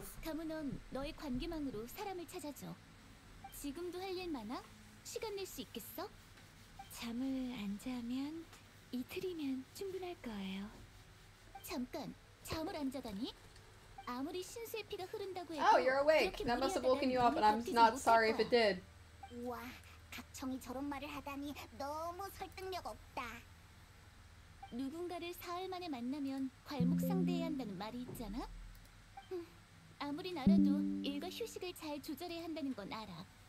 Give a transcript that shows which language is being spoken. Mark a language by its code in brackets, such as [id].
[ko] 가무, 넌 너의 관계망으로 사람을 찾아줘. 지금도 할 일 많아? 시간 낼 수 있겠어? 잠을 안 자면 이틀이면 충분할 거예요. 잠깐, 잠을 안 자다니? 아무리 신수의 피가 흐른다고 해도 [en] Oh, you're awake. That must have woken you up, and I'm not sorry if it did. [ko] 와, 각청이 저런 말을 하다니 너무 설득력 없다. 누군가를 사흘 만에 만나면 괄목상대해야 한다는 말이 있잖아? 아무리 나라도 일과 휴식을 잘 조절해야 한다는 건 알아.